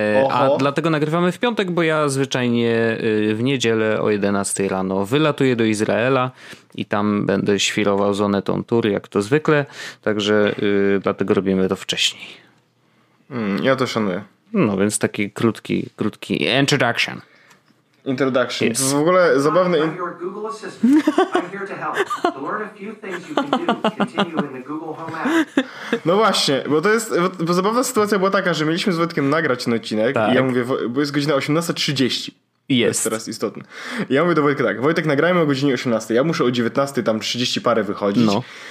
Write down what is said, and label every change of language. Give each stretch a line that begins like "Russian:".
Polish: A dlatego nagrywamy w piątek, bo ja zwyczajnie w niedzielę o 11 rano wylatuję do Izraela i tam będę świrował z Onetą tour, jak to zwykle. Także dlatego robimy to wcześniej. Ja to szanuję. No więc taki krótki introduction.
English: Introduction.
Polish: Yes. To jest w ogóle zabawny.
English: I'm your Google assistant. I'm here to help. To learn a few things you can do. Continue in the Google Home app.
Polish: No właśnie, bo zabawna sytuacja była taka, że mieliśmy z Wojtkiem nagrać ten odcinek. Tak. I ja mówię, bo jest godzina 18:30. Jest. To jest teraz istotne. I ja mówię do Wojtka tak, Wojtek, nagrajmy o godzinie 18. Ja muszę o 19 tam 30 parę wychodzić. No.